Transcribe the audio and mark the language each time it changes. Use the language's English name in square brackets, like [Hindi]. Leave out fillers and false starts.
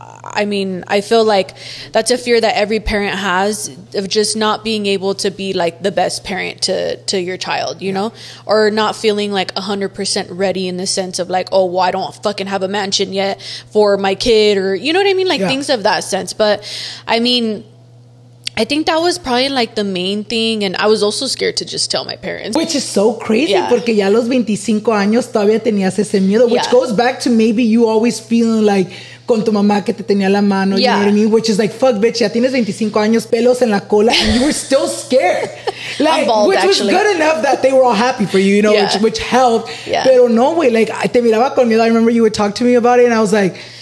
[English] I mean, I feel like that's a fear that every parent has of just not being able to be, like, the best parent to your child, you know? Or not feeling, like, 100% ready in the sense of, like, oh, well, I don't fucking have a mansion yet for my kid or, you know what I mean? Like, things of that sense. But, I mean, I think that was probably, like, the main thing. And I was also scared to just tell my parents. Which is so crazy. Yeah. [Spanish] Porque ya a los 25 años todavía tenías ese miedo. [English] Which goes back to maybe you always feeling like, [Spanish] con tu mamá que te tenía la mano, [English] you know what I mean? Which is like, fuck, bitch, [Spanish] ya tienes 25 años, pelos en la cola, [English] and you were still scared. Like, I'm bald, which actually. Was good enough that they were all happy for you, you know, which helped. Yeah. [Spanish] Pero no, güey, [English] like, [Spanish] te miraba con miedo. [English] I remember you would talk to me about it, and I was like,